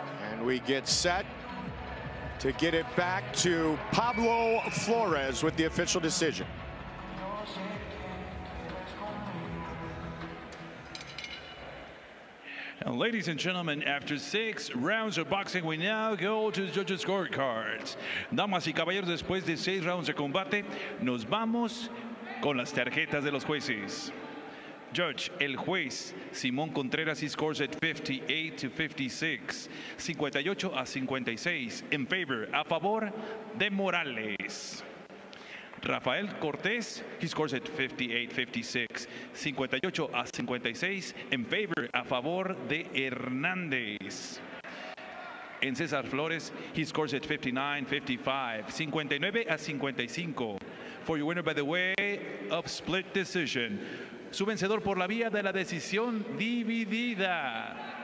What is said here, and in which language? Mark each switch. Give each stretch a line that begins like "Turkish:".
English: And we get set to get it back to Pablo Flores with the official decision. And ladies and gentlemen, after six rounds of boxing, we now go to the judges' scorecards.
Spanish: Damas y caballeros, después de seis rounds de combate, nos vamos con las tarjetas de los jueces.
English: Judge,
Spanish: el juez,
English: Simón Contreras, he scores at 58-56, 58-56, in favor,
Spanish: a favor de
English: Morales. Rafael Cortez, he scores at 58-56, 58-56, in favor,
Spanish: a favor de
English: Hernández. And Cesar Flores, he scores at 59-55, 59-55. For your winner by the way of split decision.
Spanish: Su vencedor por la vía de la decisión dividida.